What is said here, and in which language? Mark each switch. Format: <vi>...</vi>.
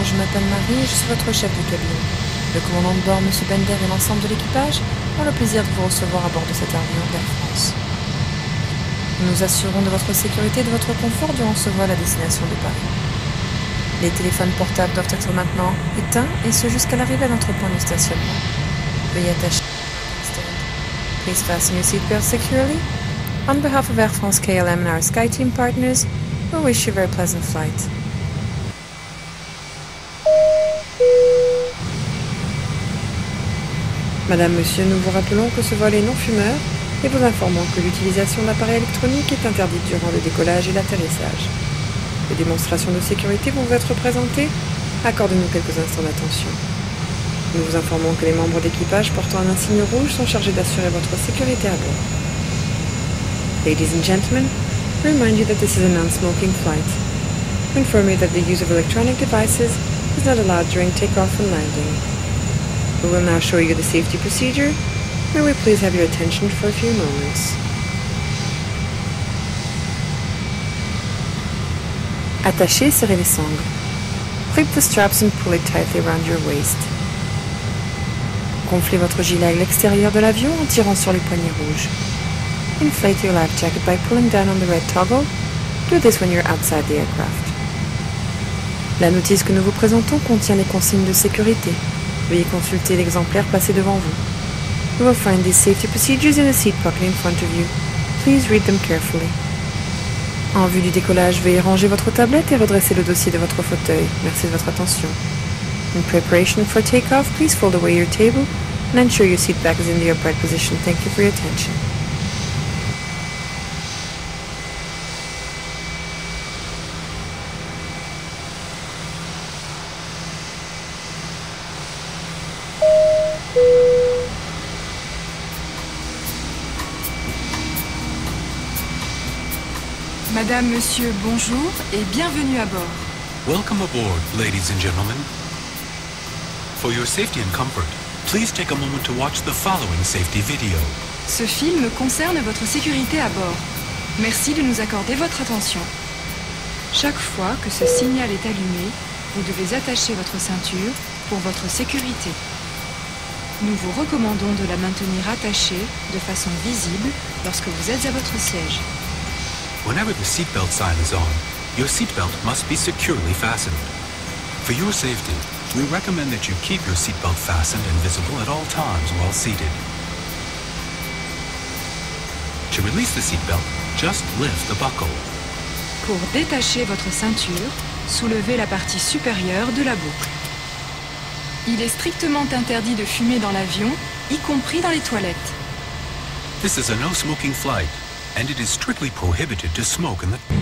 <fr>Je m'appelle Marie, je suis votre chef de cabine. Le commandant de bord, monsieur Bender, et l'ensemble de l'équipage ont le plaisir de vous recevoir à bord de cet avion d'Air France. Nous nous assurerons de votre sécurité et de votre confort durant ce vol à destination de Paris. Les téléphones portables doivent être maintenant éteints et ce jusqu'à l'arrivée à notre point de stationnement. Veuillez attacher.</fr> <en>Please fasten your seatbelt securely. On behalf of Air France KLM and our SkyTeam partners, we wish you a very pleasant flight.</en> <fr>Madame, monsieur, nous vous rappelons que ce vol est non-fumeur et vous informons que l'utilisation d'appareils électroniques est interdite durant le décollage et l'atterrissage. Les démonstrations de sécurité vont vous être présentées. Accordez-nous quelques instants d'attention. Nous vous informons que les membres d'équipage portant un insigne rouge sont chargés d'assurer votre sécurité à bord.</fr> <en>Ladies and gentlemen, we remind you that this is a non-smoking flight. We inform you that the use of electronic devices is not allowed during takeoff and landing. We will now show you the safety procedure. May we please have your attention for a few moments.</en> <fr>Attachez, serrez les sangles.</fr> <en>Clip the straps and pull it tightly around your waist.</en> <fr>Gonflez votre gilet à l'extérieur de l'avion en tirant sur les poignées rouges.</fr> <en>Inflate your life jacket by pulling down on the red toggle. Do this when you're outside the aircraft.</en> <fr>La notice que nous vous présentons contient les consignes de sécurité. Veuillez consulter l'exemplaire placé devant vous.</fr> <en>You will find these safety procedures in the seat pocket in front of you. Please read them carefully.</en> <fr>En vue du décollage, veuillez ranger votre tablette et redresser le dossier de votre fauteuil. Merci de votre attention.</fr> <en>In preparation for takeoff, please fold away your table and ensure your seat back is in the upright position. Thank you for your attention.</en> <fr>Madame, monsieur, bonjour et bienvenue à bord.</fr> <en>Welcome aboard, ladies and gentlemen. For your safety and comfort, please take a moment to watch the following safety video.</en> <fr>Ce film concerne votre sécurité à bord. Merci de nous accorder votre attention. Chaque fois que ce signal est allumé, vous devez attacher votre ceinture pour votre sécurité. Nous vous recommandons de la maintenir attachée de façon visible lorsque vous êtes à votre siège.</fr> <en>Whenever the seatbelt sign is on, your seatbelt must be securely fastened. For your safety, we recommend that you keep your seatbelt fastened and visible at all times while seated. To release the seatbelt, just lift the buckle.</en> <fr>Pour détacher votre ceinture, soulevez la partie supérieure de la boucle. Il est strictement interdit de fumer dans l'avion, y compris dans les toilettes.</fr> <en>This is a no-smoking flight. And it is strictly prohibited to smoke in the...</en>